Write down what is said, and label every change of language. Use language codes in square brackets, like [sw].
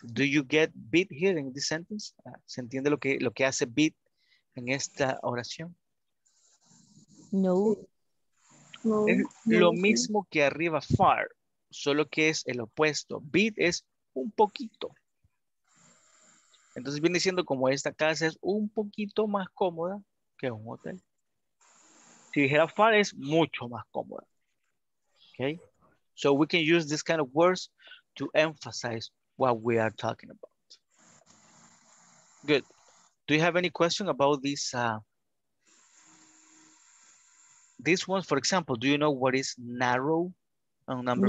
[en] Do you get bit here in this sentence? [es] ¿Se entiende lo que hace bit en esta oración? No. Lo mismo que arriba far, solo que es el opuesto. Bit es un poquito. Entonces viene siendo como esta casa es un poquito más cómoda que un hotel. Si dijera far es mucho más cómoda. Okay? [en] So we can use this kind of words to emphasize what we are talking about. Good. Do you have any question about this one, for example, do you know what is narrow on number